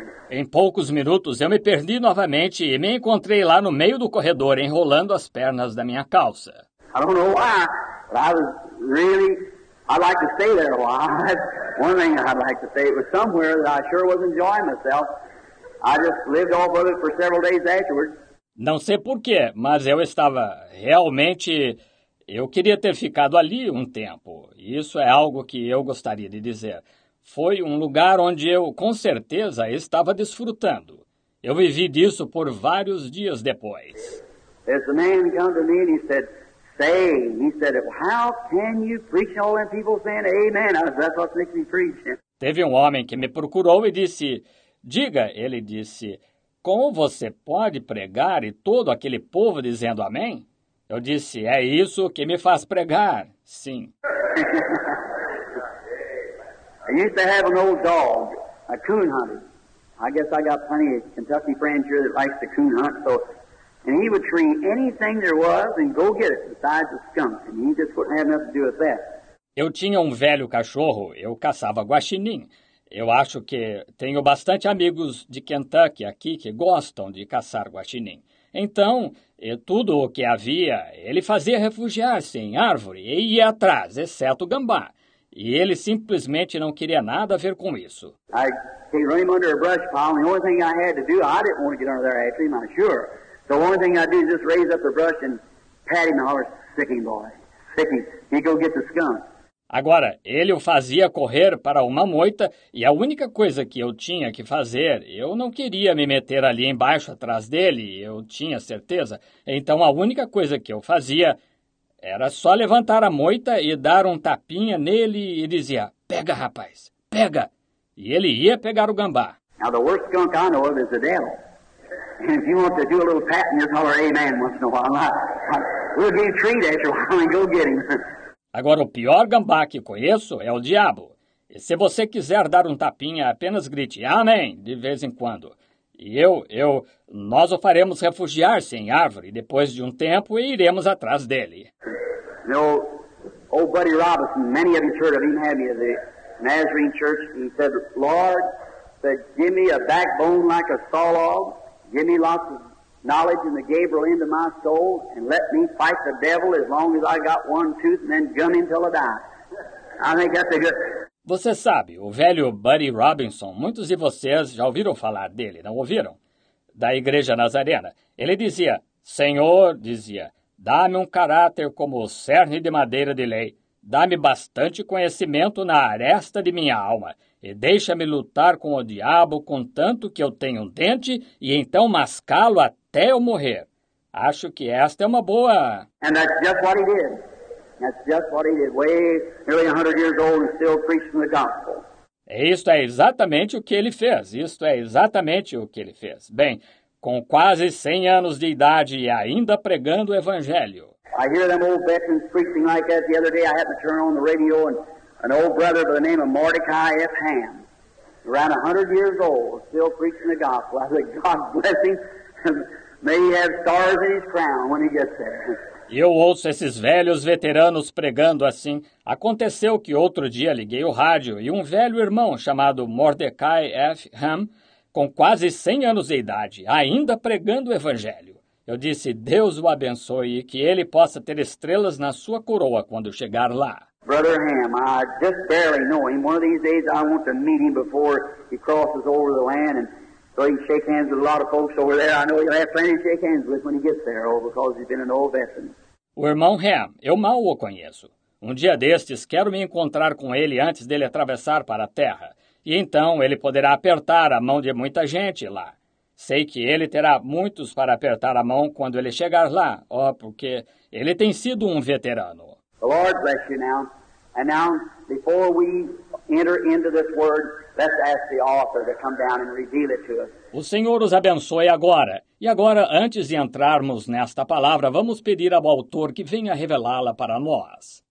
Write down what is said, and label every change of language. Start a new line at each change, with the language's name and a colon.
Portuguese: Em poucos minutos, eu me perdi novamente e me encontrei lá no meio do corredor, enrolando as pernas da minha calça.
English: I don't know why, but I was really... I'd like to stay there a while. One thing I'd like to say, it was somewhere that I sure was enjoying myself. I just lived off of it for several days afterwards.
Portuguese: Não sei por quê, mas eu estava realmente... Eu queria ter ficado ali um tempo. Isso é algo que eu gostaria de dizer. Foi um lugar onde eu, com certeza, estava desfrutando. Eu vivi disso por vários dias depois.
English: There's a man come to me and he said, say, he said, how can you preach all them people saying amen? That's what makes me preach.
Portuguese: Teve um homem que me procurou e disse, diga, ele disse, como você pode pregar e todo aquele povo dizendo amém? Eu disse, é isso que me faz pregar, sim.
English: I used to have an old dog, a coon hunter. I guess I got plenty of Kentucky friends here that likes to coon hunt, so... And he would tree anything there was and go get it besides the skunk. And he just wouldn't have nothing to do with that.
Portuguese: Eu tinha um velho cachorro, eu caçava guaxinim. Eu acho que tenho bastante amigos de Kentucky aqui que gostam de caçar guaxinim. Então, e tudo o que havia, ele fazia refugiar-se em árvore e ia atrás, exceto o gambá. E ele simplesmente não queria nada a ver com isso.
English: I came running under a brush pile, and the only thing I had to do, I didn't want to get under there after him, I'm sure. So the only thing I did is just raise up the brush and pat him and holler, sick him, boy, sick him, he go get the skunk.
Portuguese: Agora, ele o fazia correr para uma moita e a única coisa que eu tinha que fazer, eu não queria me meter ali embaixo atrás dele, eu tinha certeza. Então, a única coisa que eu fazia era só levantar a moita e dar um tapinha nele e dizia, pega, rapaz, pega. E ele ia pegar o gambá.
English: Now, the worst skunk I know of is the devil. And if you want to do a little pat and just holler amen once in a while, we'll get a treat after a while and go get him.
Portuguese: Agora, o pior gambá que conheço é o diabo. E se você quiser dar um tapinha, apenas grite, amém, de vez em quando. E nós o faremos refugiar-se em árvore depois de um tempo e iremos atrás dele.
English: You know, old Buddy Robinson, many of you heard of him, have you? The Nazarene Church, he said, Lord, said, give me a backbone like a saw log, give me lots of knowledge in the Gabriel end of my soul, and let me fight the devil as long as I got one tooth, and then gun him till I die. I think that's a good...
Portuguese: Você sabe, o velho Buddy Robinson, muitos de vocês já ouviram falar dele, não ouviram? Da Igreja Nazarena. Ele dizia, Senhor, dizia, dá-me um caráter como o cerne de madeira de lei, dá-me bastante conhecimento na aresta de minha alma, e deixa-me lutar com o diabo contanto que eu tenha um dente e então mascá-lo até eu morrer. Acho que esta é uma boa...
English: And that's just what he did. That's just what he did. Way nearly 100 years old and still preaching the gospel.
Portuguese: Isto é exatamente o que ele fez. Isto é exatamente o que ele fez. Bem, com quase 100 anos de idade e ainda pregando o evangelho.
English: I hear them old veterans preaching like that the other day. I happened to turn on the radio and an old brother by the name of Mordecai F. Ham, around 100 years old, still preaching the gospel. I said, God bless him. May he have stars in his crown when he gets there.
Portuguese: E eu ouço esses velhos veteranos pregando assim. Aconteceu que outro dia liguei o rádio e um velho irmão chamado Mordecai F. Ham, com quase 100 anos de idade, ainda pregando o evangelho. Eu disse, Deus o abençoe e que ele possa ter estrelas na sua coroa quando chegar lá.
English: Brother Ham, I just barely know him. One of these days I want to meet him before he crosses over the land, and so he can shake hands with a lot of folks over there. I know he'll have plenty to shake hands with when he gets there, oh, because he's been an old veteran.
Portuguese: O irmão Ham, eu mal o conheço. Um dia destes, quero me encontrar com ele antes dele atravessar para a terra. E então ele poderá apertar a mão de muita gente lá. Sei que ele terá muitos para apertar a mão quando ele chegar lá. Oh, porque ele tem sido um veterano.
English: The Lord bless you now. And now, before we enter into this word, let's ask the author to come down and reveal it to us.
Portuguese: O Senhor os abençoe agora. E agora, antes de entrarmos nesta palavra, vamos pedir ao autor que venha revelá-la para nós.